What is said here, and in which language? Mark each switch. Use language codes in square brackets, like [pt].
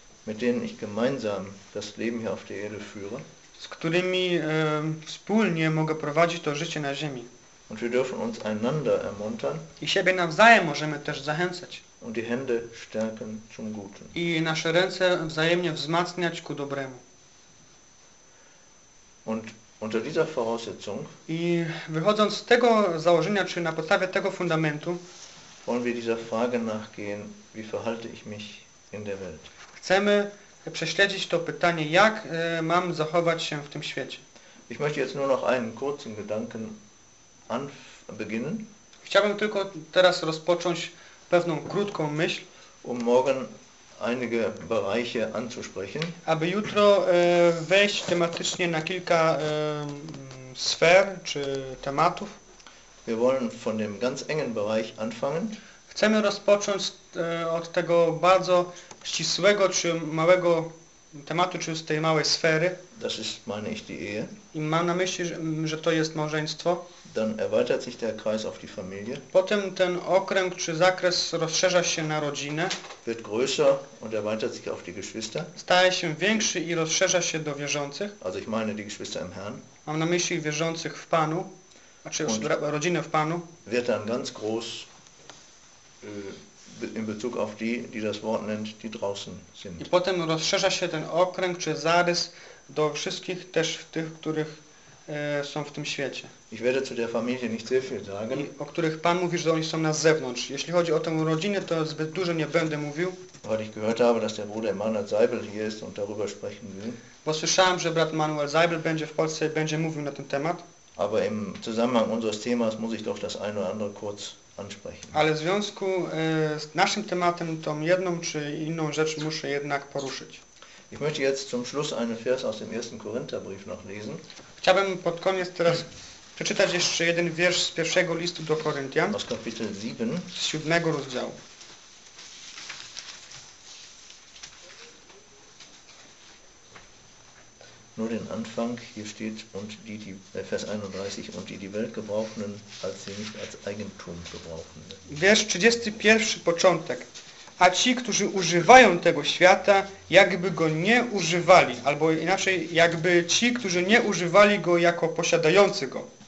[de] Mit denen ich gemeinsam das Leben hier auf der Erde führe. [pl] Z którymi wspólnie mogę prowadzić to życie na ziemi. [de] Und wir dürfen uns einander ermuntern. [pl] I siebie nawzajem możemy też zachęcać. [de] Und die Hände stärken zum Guten. [pl] I nasze ręce wzajemnie wzmacniać ku dobremu. [de] Und unter dieser Voraussetzung [pl] i wychodząc z tego założenia, czy na podstawie tego fundamentu, [de] wollen wir dieser Frage nachgehen, wie verhalte ich mich in der Welt. [pl] Chcemy prześledzić to pytanie, jak mam zachować się w tym świecie. [de] Ich möchte jetzt nur noch einen kurzen Gedanken beginnen. [pl] Chciałbym tylko teraz rozpocząć pewną krótką myśl, [de] um morgen einige Bereiche anzusprechen. [pl] Aby jutro wejść tematycznie na kilka sfer czy tematów. [de] Wir wollen von dem ganz engen Bereich anfangen. [pl] Chcemy rozpocząć od tego bardzo ścisłego czy małego tematu, czy z tej małej sfery. [de] Das ist, meine ich, die Ehe. [pl] I mam na myśli, że to jest małżeństwo. [de] dann erweitert sich der Kreis auf die Familie. [pl] Potem ten okręg czy zakres rozszerza się na rodzinę. [de] Wird größer und erweitert sich auf die Geschwister. [pl] Staje się większy i rozszerza się do wierzących. [de] Also ich meine die Geschwister im Herrn. [pl] Mam na myśli wierzących w Panu, znaczy rodzinę w Panu. [de] Wird dann ganz groß in Bezug auf die, die das Wort nennt, die draußen sind. [pl] I potem rozszerza się ten okręg czy zarys do wszystkich też tych, których są w tym świecie. [de] Ich werde zu der Familie nicht sehr viel sagen. [pl] I o których Pan mówi, że oni są na zewnątrz. Jeśli chodzi o tę rodzinę, to zbyt dużo nie będę mówił. [de] Weil ich gehört habe, dass der Bruder Emanuel Seibel hier ist und darüber sprechen will. [pl] Bo słyszałem, że brat Manuel Seibel będzie w Polsce i będzie mówił na ten temat. [de] Aber im Zusammenhang unseres Themas muss ich doch das eine oder andere kurz ansprechen. [pl] Ale w związku z naszym tematem tą jedną czy inną rzecz muszę jednak poruszyć. [de] Ich möchte jetzt zum Schluss einen Vers aus dem ersten Korintherbrief noch lesen. [pl] Chciałbym pod koniec teraz przeczytać jeszcze jeden wiersz z pierwszego listu do Koryntian. [de] Aus Kapitel 7. [pl] Z siódmego rozdziału. [de] Nur den Anfang, hier steht, und die, die, Vers 31, und die die Welt gebrauchenden, als sie nicht als Eigentum gebrauchenden. [pl] Wiersz 31, początek. A ci, którzy używają tego świata, jakby go nie używali, albo inaczej, jakby ci, którzy nie używali go jako posiadający go.